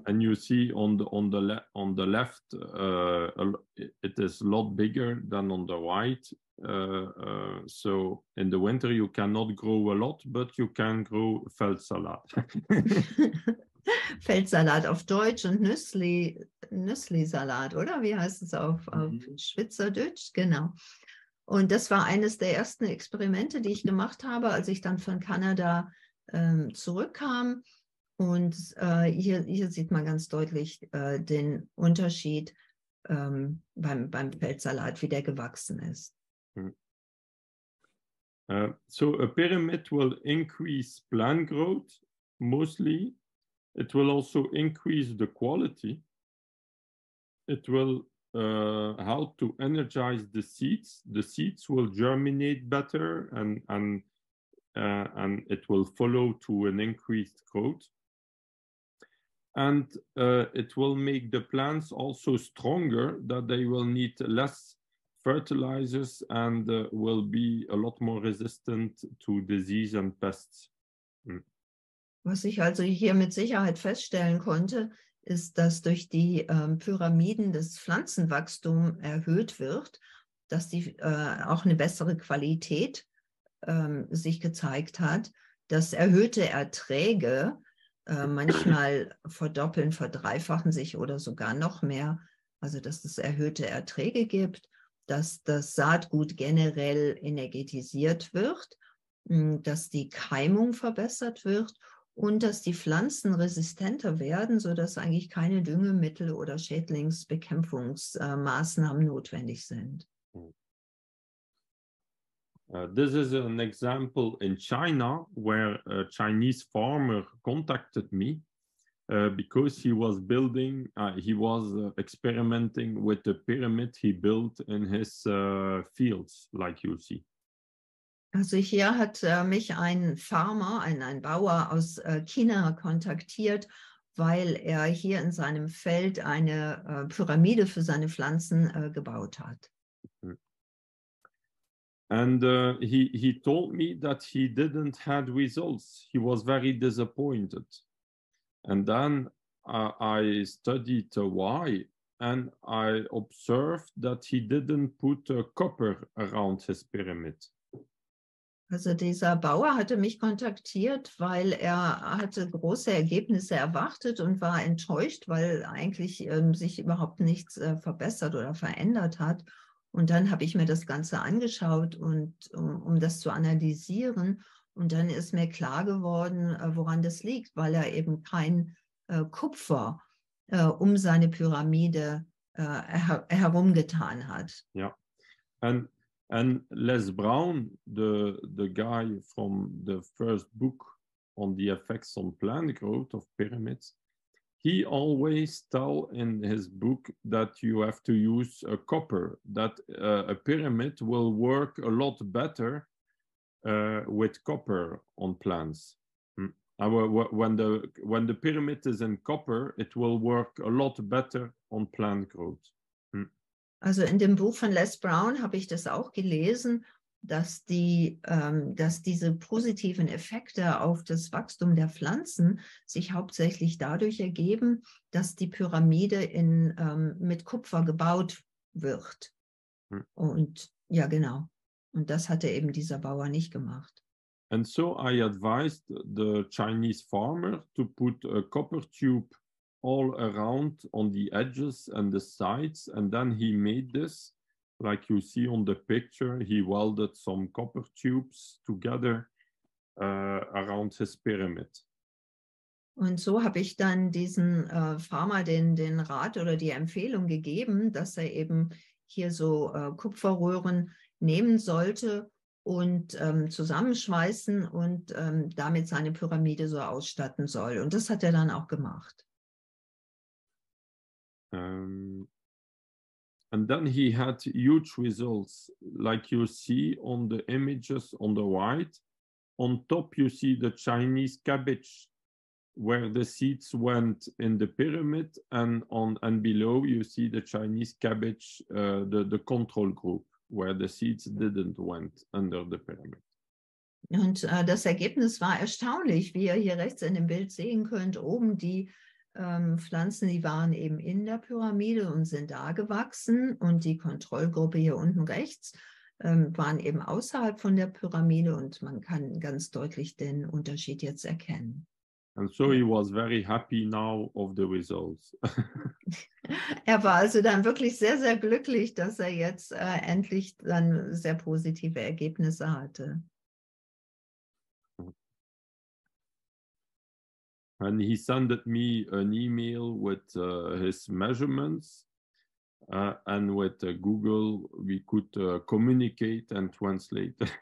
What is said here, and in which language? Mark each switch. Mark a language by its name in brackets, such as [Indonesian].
[English] And you see on the left, it is a lot bigger than on the right. So in the winter you cannot grow a lot, but you can grow Feldsalat. [German] Feldsalat auf Deutsch und Nüsslisalat, oder wie heißt es auf Schweizerdeutsch? Genau. Und das war eines der ersten Experimente, die ich gemacht habe, als ich dann von Kanada zurückkam. Und hier sieht man ganz deutlich den Unterschied beim Feldsalat, wie der gewachsen ist. [English] So a pyramid will increase plant growth mostly. It will also increase the quality. It will help to energize the seeds. The seeds will germinate better and it will follow to an increased growth. And it will make the plants also stronger, that they will need less fertilizers and will be a lot more resistant to disease and pests. [German] Was ich also hier mit Sicherheit feststellen konnte, ist, dass durch die Pyramiden das Pflanzenwachstum erhöht wird, dass die auch eine bessere Qualität sich gezeigt hat, dass erhöhte Erträge manchmal verdoppeln, verdreifachen sich oder sogar noch mehr, also dass es erhöhte Erträge gibt, dass das Saatgut generell energetisiert wird, dass die Keimung verbessert wird und dass die Pflanzen resistenter werden, sodass eigentlich keine Düngemittel oder Schädlingsbekämpfungsmaßnahmen notwendig sind. [English] This is an example in China, where a Chinese farmer contacted me because he was experimenting with the pyramid he built in his fields, like you see. [German] Also hier hat mich ein Farmer, ein Bauer aus China kontaktiert, weil er hier in seinem Feld eine Pyramide für seine Pflanzen gebaut hat. [English] And he told me that he didn't have results. He was very disappointed. And then I studied why, and I observed that he didn't put a copper around his pyramid. [German] Also dieser Bauer hatte mich kontaktiert, weil er hatte große Ergebnisse erwartet und war enttäuscht, weil eigentlich sich überhaupt nichts verbessert oder verändert hat. Und dann habe ich mir das Ganze angeschaut und um das zu analysieren. Und dann ist mir klar geworden, woran das liegt, weil er eben kein Kupfer um seine Pyramide herumgetan hat. [English] Yeah, and Les Brown, the guy from the first book on the effects on plant growth of pyramids, he always tell in his book that you have to use a copper, that a pyramid will work a lot better with copper on plants. When the pyramid is in copper, it will work a lot better on plant growth. [German] Also in dem Buch von Les Brown habe ich das auch gelesen, dass dass diese positiven Effekte auf das Wachstum der Pflanzen sich hauptsächlich dadurch ergeben, dass die Pyramide mit Kupfer gebaut wird. Und ja, genau. Und das hatte eben dieser Bauer nicht gemacht. [English] And so I advised the Chinese farmer to put a copper tube all around on the edges and the sides. And then he made this, like you see on the picture, he welded some copper tubes together around his pyramid. [German] Und so habe ich dann diesen Farmer den Rat oder die Empfehlung gegeben, dass er eben hier so Kupferröhren nehmen sollte und zusammenschweißen und damit seine Pyramide so ausstatten soll. Und das hat er dann auch gemacht. [English] And then he had huge results, like you see on the images on the right. On top, you see the Chinese cabbage, where the seeds went in the pyramid, and below you see the Chinese cabbage, the control group, where the seeds didn't went under the pyramid. [German] Und das Ergebnis war erstaunlich, wie ihr hier rechts in dem Bild sehen könnt. Oben die Pflanzen, die waren eben in der Pyramide und sind da gewachsen. Und die Kontrollgruppe hier unten rechts waren eben außerhalb von der Pyramide. Und man kann ganz deutlich den Unterschied jetzt erkennen. [English] And so he was very happy now of the results. [German] Er war also dann wirklich sehr, sehr glücklich, dass er jetzt endlich dann sehr positive Ergebnisse hatte. [English] And he sent me an email with his measurements, and with Google we could communicate and translate.